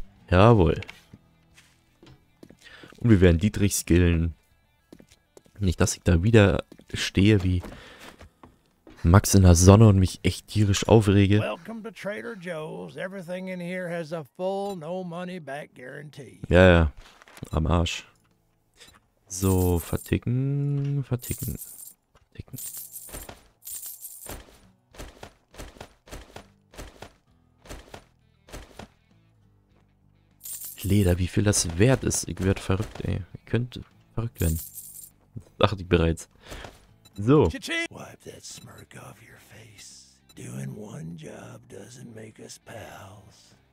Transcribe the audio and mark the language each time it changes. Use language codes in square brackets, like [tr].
[de] Jawohl. Und wir werden Dietrich skillen. Nicht, dass ich da wieder stehe wie Max in der Sonne und mich echt tierisch aufrege. [en] Welcome to Trader Joe's. Everything in here has a full no money back guarantee. [de] Ja, ja. Am Arsch. So, verticken, verticken, verticken. Leder, wie viel das wert ist. Ich werd verrückt, ey. Ich könnte verrückt werden. Dachte ich bereits. So. [en] Wipe that smirk off your face. Doing one job doesn't make us pals.